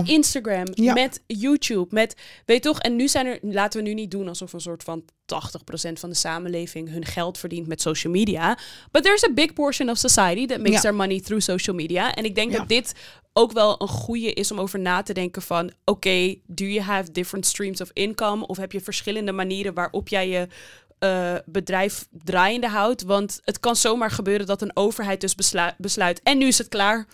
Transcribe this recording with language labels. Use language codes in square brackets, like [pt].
[nl] Met Instagram, met YouTube, met, weet je toch, en nu zijn er, laten we nu niet doen alsof een soort van 80% van de samenleving hun geld verdient met social media. [en] But there's a big portion of society that makes their money through social media. [nl] En ik denk dat dit ook wel een goede is om over na te denken van, okay, [en] do you have different streams of income? [nl] Of heb je verschillende manieren waarop jij je bedrijf draaiende houdt, want het kan zomaar gebeuren dat een overheid dus besluit en nu is het klaar.